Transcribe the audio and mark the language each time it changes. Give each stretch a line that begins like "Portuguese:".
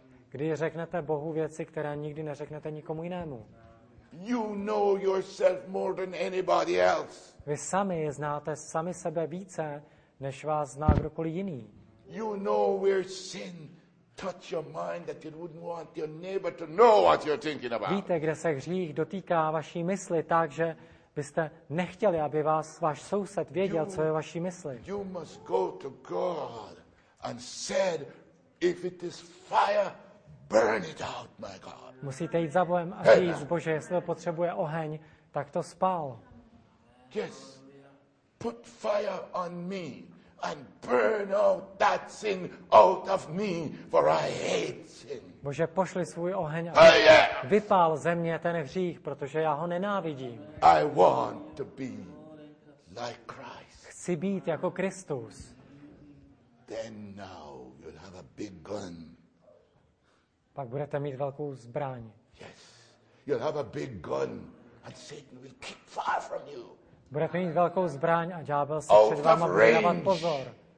Czech: Když řeknete Bohu věci, které nikdy neřeknete nikomu jinému.
English: You know yourself more than anybody else.
Czech: Vy sami znáte sami sebe více, než vás zná kdokoliv jiný.
English: You know where sin touch your mind that you wouldn't want your neighbor to know what you're thinking about.
Czech: Víte, kde se hřích dotýká vaší mysli tak, že byste nechtěli, aby vás váš soused věděl, co je vaší mysli.
English: You must go to God and said, if it is fire, burn it out, my God.
Czech: Musíte jít za Bohem a říct, Bože, jestli potřebuje oheň, tak to spál.
English: Yes, put fire on me and burn out that sin out of me, for I hate sin.
Czech: Bože, pošli svůj oheň a vypál ze mě ten hřích, protože já ho nenávidím.
English: I want to be like Christ.
Czech: Chci být jako Kristus.
English: Then now you'll have a big gun.
Czech: Pak budete mít velkou zbraň.
English: Yes, you'll have a big gun, and Satan will keep far from you.
Czech: Budete mít velkou zbraň a ďábel se před váma bude dávat pozor.